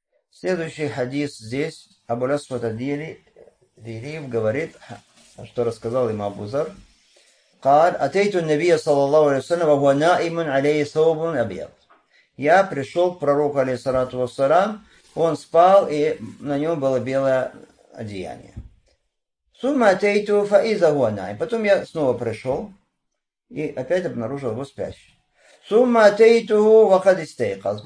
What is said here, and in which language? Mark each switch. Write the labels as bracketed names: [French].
[Russian] Следующий хадис здесь. Абу Ляс-Суд ад-Дилив говорит, что рассказал ему Абу Зар. [Arabic] قال أتيت النبي صلى الله عليه وسلم وهو نائم عليه ثوب أبيض. [Russian] Я пришел к пророку алейхиссалату вассалям, он спал и на нем было белое одеяние. [Arabic] ثم أتيت فإذا هو نائم. [Russian] Потом я снова пришел и опять обнаружил его спящим. [Arabic] ثم أتيت وقد استيقظ.